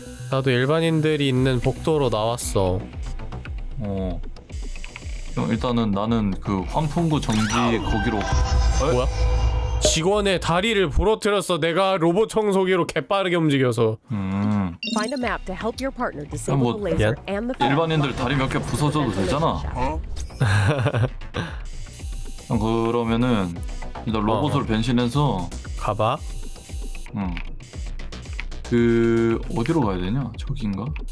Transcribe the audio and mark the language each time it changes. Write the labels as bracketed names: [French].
[Korean] 나도 일반인들이 있는 복도로 나왔어. 일단은 나는 그 환풍구 정지 거기로. 뭐야? 직원의 다리를 부러뜨렸어. 내가 로봇 청소기로 개빠르게 움직여서. [English] Find a map to help your partner disable the laser and the fire. [Korean] 일반인들 다리 몇 개 부서져도 되잖아. 어? 그러면은 일단 로봇으로 변신해서 가봐. 그 어디로 가야 되냐? 저긴가?